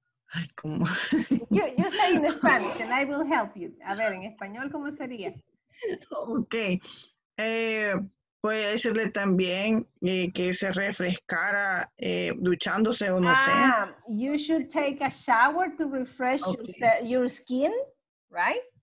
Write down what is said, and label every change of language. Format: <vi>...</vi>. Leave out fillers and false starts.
<en>You say in Spanish, and I will help you.</en> <es>A ver, en español, ¿cómo sería?</es> <en>Okay.</en> <es>Puede decirle también que se refrescara duchándose o no sé.</es> <en>You should take a shower to refresh your skin, right?</en>